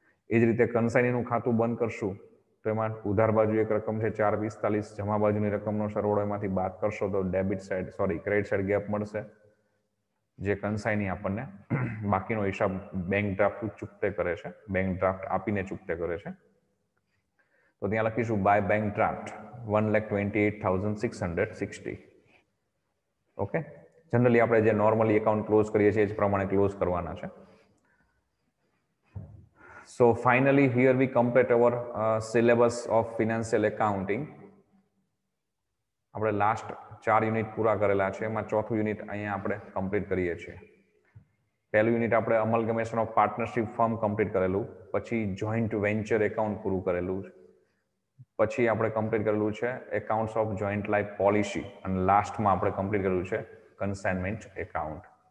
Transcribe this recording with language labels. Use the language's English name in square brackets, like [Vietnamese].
[Gujarati] એ જ રીતે કન્સાઇનીનું ખાતું બંધ કરશું તો એમાં ઉધાર બાજુ એક રકમ છે 4,245, જમા બાજુની રકમનો સરવાળો એમાંથી બાદ કરશો તો debit side sorry credit side gap મળશે જે કન્સાઇની આપણને બાકીનો હિસાબ બેંક ડ્રાફ્ટ ચૂકતે કરે છે, બેંક ડ્રાફ્ટ આપીને ચૂકતે કરે છે. તો ત્યાં લખીશું by bank draft 1,28,660. Okay, generally આપણે જે નોર્મલી એકાઉન્ટ ક્લોઝ કરીએ છીએ એ પ્રમાણે ક્લોઝ કરવાના છે. [English] So finally here we complete our syllabus of financial accounting. [Gujarati] આપણે લાસ્ટ ચાર યુનિટ પૂરા કરેલા છે એમાં ચોથું યુનિટ અહીંયા આપણે કમ્પ્લીટ કરીએ છીએ. પહેલું યુનિટ આપણે અમલગમેશન ઓફ પાર્ટનરશીપ ફર્મ કમ્પ્લીટ કરેલું, પછી જોઈન્ટ વેન્ચર એકાઉન્ટ પૂરું કરેલું, પછી આપણે કમ્પ્લીટ કરેલું છે accounts of joint life policy, અને લાસ્ટમાં આપણે કમ્પ્લીટ કરેલું છે કન્સાઇનમેન્ટ એકાઉન્ટ.